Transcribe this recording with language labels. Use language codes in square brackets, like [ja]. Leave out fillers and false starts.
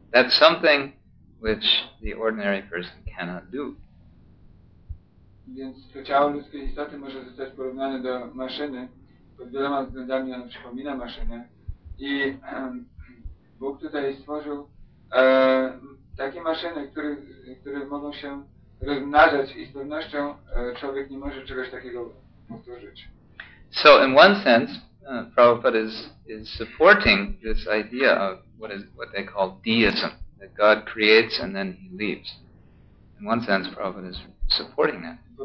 [en] That's something which the ordinary person cannot do. [pl] Więc to ciało ludzkiej istoty może zostać porównane do maszyny. Pod wieloma względami ono przypomina maszynę. I Bóg tutaj stworzył takie maszyny, które mogą się rozmnażać i z pewnością człowiek nie może czegoś takiego powtórzyć. [en] So in one sense, Prabhupada is supporting this idea of what they call deism, that God creates and then he leaves. In one sense, Prabhupada is supporting that.